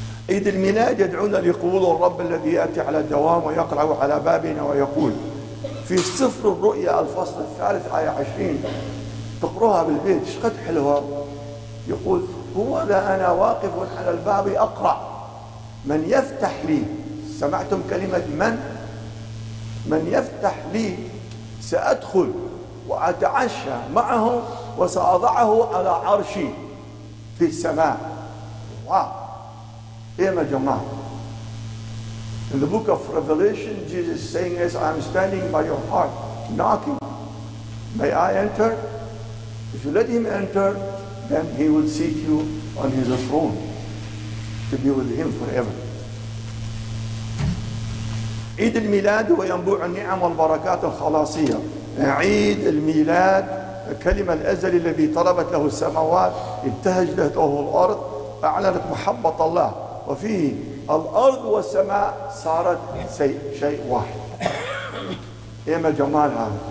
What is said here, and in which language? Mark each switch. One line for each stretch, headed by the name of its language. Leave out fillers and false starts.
Arabic: عيد الميلاد يدعونا لقبول الرب الذي يأتي على الدوام ويقرع على بابنا ويقول في سفر الرؤيا الفصل الثالث آية 20 تقروها بالبيت شقد حلوة يقول هو ذا أنا واقف على الباب أقرع من يفتح لي سمعتم كلمة من من يفتح لي سأدخل وأتعشى معه وسأضعه على عرشي في السماء. واو. إيه يا جماعة.
English: In the book of Revelation, Jesus saying, as I'm standing by your heart, knocking, may I enter? If you let him enter, then he will seat you on his throne to be with him forever.
Arabic: عيد الميلاد وينبوع النعم والبركات الخلاصية. عيد الميلاد كلمة الأزل الذي طلبت له السماوات ابتهجت له الأرض أعلنت محبة الله وفيه الأرض والسماء صارت شيء واحد. إيه ما جمال هذا.